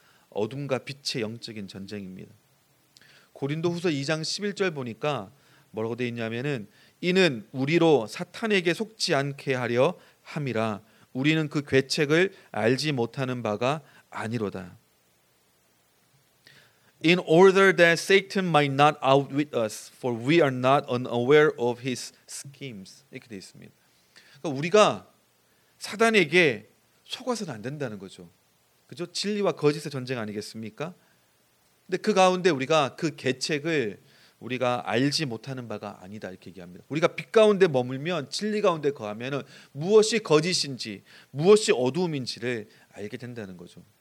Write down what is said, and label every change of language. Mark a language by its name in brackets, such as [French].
[Korean] 어둠과 빛의 영적인 전쟁입니다. 고린도후서 2장 11절 보니까 뭐라고 되어 있냐면은 이는 우리로 사탄에게 속지 않게 하려 함이라 우리는 그 궤책을 알지 못하는 바가 아니로다. [English] In order that Satan might not outwit us, for we are not unaware of his schemes. [Korean] 이렇게 돼 있습니다. 그러니까 우리가 사단에게 속아서는 안 된다는 거죠. 그죠? 진리와 거짓의 전쟁 아니겠습니까? 근데 그 가운데 우리가 그 궤책을 우리가 알지 못하는 바가 아니다 이렇게 얘기합니다. 우리가 빛 가운데 머물면 진리 가운데 거하면은 무엇이 거짓인지 무엇이 어두움인지를 알게 된다는 거죠.